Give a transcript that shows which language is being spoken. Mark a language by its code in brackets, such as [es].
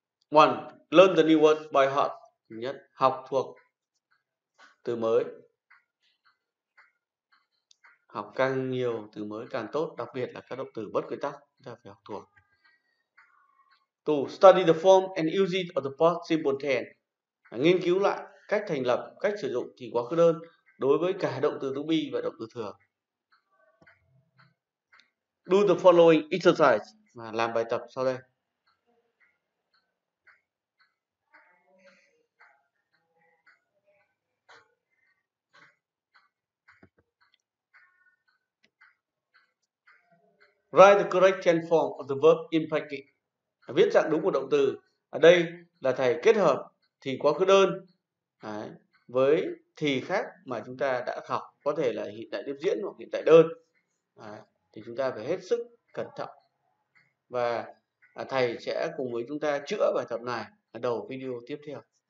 [en] One, learn the new words by heart. [vi] Nhất, học thuộc từ mới. Học càng nhiều từ mới càng tốt, đặc biệt là các động từ bất quy tắc chúng ta phải học thuộc. [en] Two, study the form and use it of the past simple tense. [vi] Nghiên cứu lại cách thành lập, cách sử dụng thì quá khứ đơn đối với cả động từ to be và động từ thường. [en] Do the following exercise. [vi] Và làm bài tập sau đây. [en] Write the correct tense form of the verb in practice. [vi] Viết dạng đúng của động từ. Ở đây là thầy kết hợp thì quá khứ đơn. Đấy. Với thì khác mà chúng ta đã học, có thể là hiện tại tiếp diễn hoặc hiện tại đơn. Đấy. Thì chúng ta phải hết sức cẩn trọng. Và thầy sẽ cùng với chúng ta chữa bài tập này ở đầu video tiếp theo.